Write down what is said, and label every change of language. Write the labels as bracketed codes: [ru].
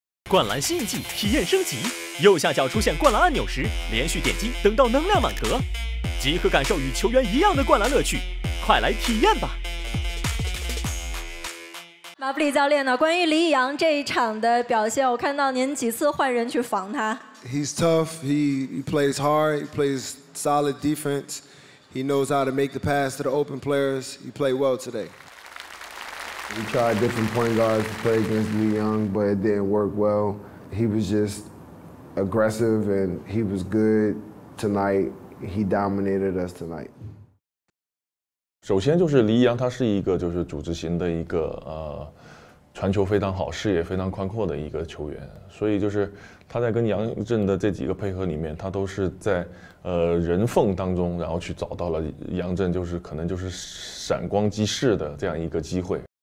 [zh] 灌篮新季体验升级，右下角出现灌篮按钮时，连续点击等到能量满格，即可感受与球员一样的灌篮乐趣，快来体验吧！马布里教练呢？关于黎伊扬这一场的表现，我看到您几次换人去防他。 [en] He's tough. He plays hard. He plays solid defense. He knows how to make the pass to the open players. He played well today. We tried different point guards to play against Lee Young, but it didn't work well. He was just aggressive, and he was good tonight. He dominated us tonight. [zh] 首先就是黎伊扬，他是一个就是组织型的一个传球非常好、视野非常宽阔的一个球员，所以就是他在跟杨振的这几个配合里面，他都是在人缝当中，然后去找到了杨振，就是可能就是闪光即逝的这样一个机会。